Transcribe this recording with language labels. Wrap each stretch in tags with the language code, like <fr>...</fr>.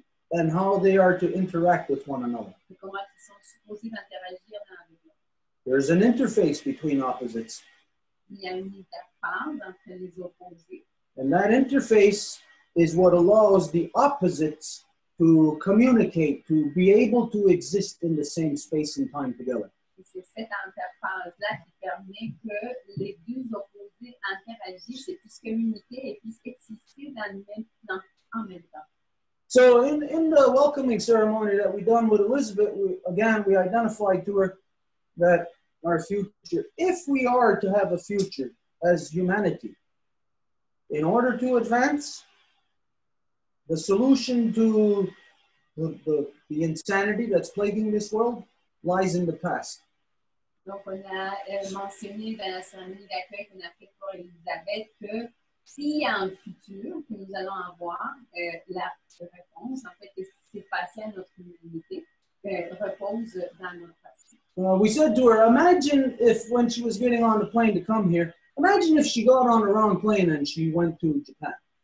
<en>And how they are to interact with one another.</en> <fr>Et comment ils sont supposés d'interagir dans la.</fr> <en>There's an interface between opposites.</en> <fr>Il y a une interface entre les opposés.</fr> <en>And that interface is what allows the opposites to communicate, to be able to exist in the same space and time together.</en> <fr>Et c'est cette interface-là qui permet que les deux opposés interagissent et puissent communiquer et puissent exister dans le même plan en même temps.</fr> <en>So in the welcoming ceremony that we done with Elizabeth, we identified to her that our future, if we are to have a future as humanity, in order to advance, the solution to the insanity that's plaguing this world lies in the past.</en> <fr>Donc on a mentionné dans la cérémonie d'accueil qu'on a fait pour Elisabeth que s'il y a un futur que nous allons avoir, la réponse, en fait, est-ce qui s'est passé à notre humanité, repose dans notre passé.</fr> <en>We said to her, imagine if when she was getting on the plane to come here, imagine if she got on the wrong plane and she went to Japan.</en>